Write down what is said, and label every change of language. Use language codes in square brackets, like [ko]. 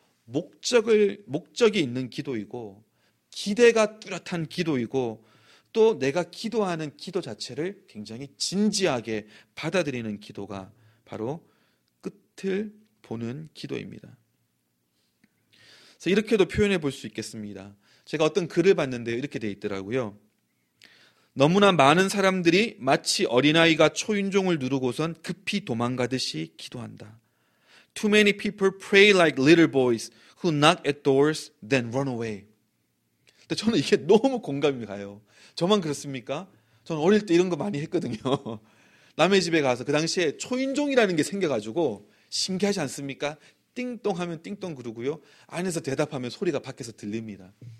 [ko] 목적이 있는 기도이고 기대가 뚜렷한 기도이고 또 내가 기도하는 기도 자체를 굉장히 진지하게 받아들이는 기도가 바로 끝을 보는 기도입니다. 그래서 이렇게도 표현해 볼 수 있겠습니다. 제가 어떤 글을 봤는데 이렇게 돼 있더라고요. 너무나 많은 사람들이 마치 어린아이가 초인종을 누르고선 급히 도망가듯이 기도한다. [en] Too many people pray like little boys who knock at doors then run away. [ko] 근데 저는 이게 너무 공감이 가요. 저만 그렇습니까? 저는 어릴 때 이런 거 많이 했거든요. 남의 집에 가서 그 당시에 초인종이라는 게 생겨가지고 신기하지 않습니까? 띵동하면 띵동 그러고요. 안에서 대답하면 소리가 밖에서 들립니다.